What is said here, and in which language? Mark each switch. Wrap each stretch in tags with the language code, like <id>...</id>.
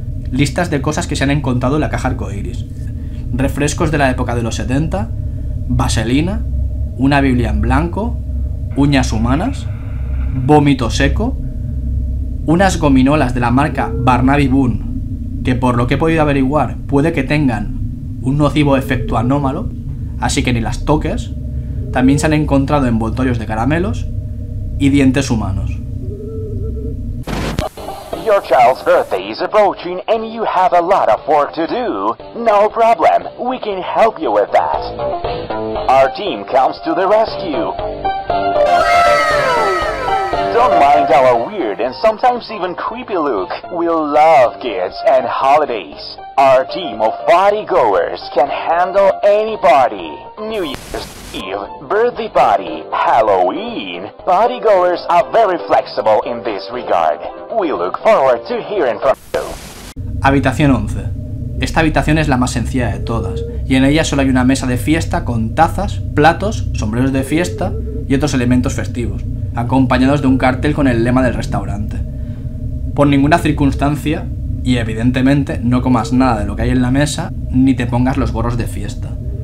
<es>Listas de cosas que se han encontrado en la caja arcoiris: refrescos de la época de los 70, vaselina, una biblia en blanco, uñas humanas, vómito seco, unas gominolas de la marca Barnaby Boone, que por lo que he podido averiguar puede que tengan un nocivo efecto anómalo, así que ni las toques. También se han encontrado envoltorios de caramelos y dientes humanos.</es> <en>Your child's birthday is approaching and you have a lot of work to do. No problem, we can help you with that. Our team comes to the rescue. Don't mind our weird and sometimes even creepy look. We love kids and holidays. Our team of partygoers can handle any party. New Year's Eve, birthday party, Halloween. Partygoers are very flexible in this regard. We look forward to hearing from you.</en> <es>Habitación 11. Esta habitación es la más sencilla de todas, y en ella solo hay una mesa de fiesta con tazas, platos, sombreros de fiesta y otros elementos festivos, acompañados de un cartel con el lema del restaurante. Por ninguna circunstancia, y evidentemente, no comas nada de lo que hay en la mesa, ni te pongas los gorros de fiesta.</es>